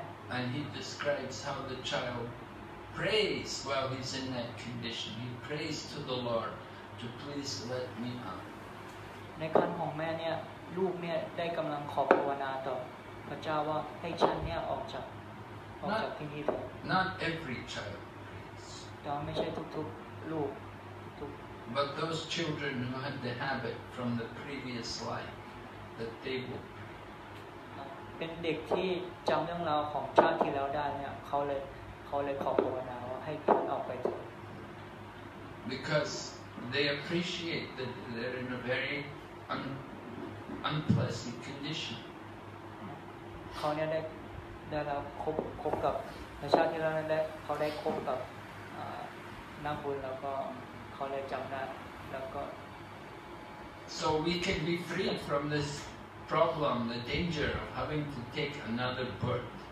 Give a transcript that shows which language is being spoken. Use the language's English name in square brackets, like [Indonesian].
[English] And he describes how the child prays while he's in that condition. He prays to the Lord to please let me out. [Thai] ในครรภ์ของแม่เนี่ยลูกเนี่ยได้กำลังขอภาวนาต่อพระเจ้าว่าให้ฉันเนี่ยออกจากที่นี่เถอะ [English] Not every child prays. [Thai] แต่ไม่ใช่ทุกๆลูกทุก [English] But those children who had the habit from the previous life that they will. [Thai] เป็นเด็กที่จำเรื่องราวของชาติที่แล้วได้เนี่ยเขาเลยขอภาวนาว่าให้พ้นออกไปเถอะ [English] Because they appreciate that they're in a very unpleasant condition. [Thai] เขาเนี่ยได้รับคบกับในชาติที่แล้วได้เขาได้คบกับนักบุญแล้วก็เขาเลยจำได้แล้วก็ [English] So we can be free from thisproblem, the danger of having to take another birth.